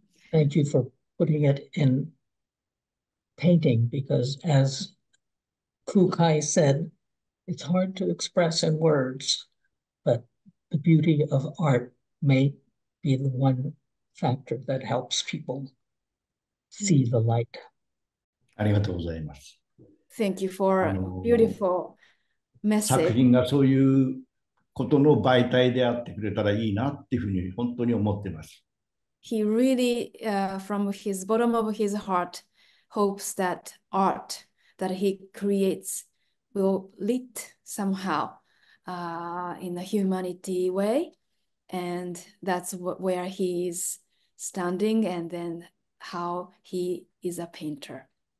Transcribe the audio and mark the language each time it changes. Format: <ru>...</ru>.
<en>Thank you for putting it in painting, because as Kukai said, it's hard to express in words, but the beauty of art may be the one factor that helps people see the light.</en> <ja>ありがとうございます。</ja> <en>Thank you for a beautiful message.</en> <ja>作品がそういうことの媒体であってくれたらいいなっていうふうに本当に思ってます。</ja> <en>He really, from his bottom of his heart, hopes that art that he creates will lead somehow, in a humanity way, and that's where he is standing, and then how he is a painter.</en>